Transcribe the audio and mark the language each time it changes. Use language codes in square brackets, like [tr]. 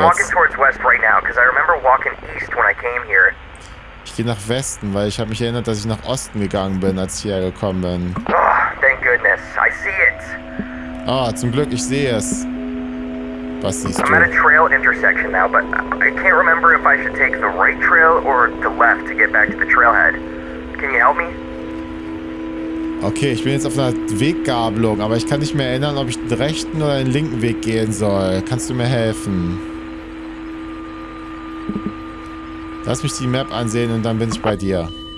[en] I'm walking towards west right now, because I remember walking east when I came here. [de] Ich gehe nach Westen, weil ich habe mich erinnert, dass ich nach Osten gegangen bin, als ich hierher gekommen bin. [en] Oh, thank goodness, I see it. [de] Oh, zum Glück, ich sehe es. Was siehst du? [en] I'm at a trail intersection now, but I can't remember if I should take the right trail or the left to get back to the trailhead. Can you help me? [de] Okay, ich bin jetzt auf einer Weggabelung, aber ich kann nicht mehr erinnern, ob ich den rechten oder den linken Weg gehen soll. Kannst du mir helfen? Lass mich die Map ansehen und dann bin ich bei dir.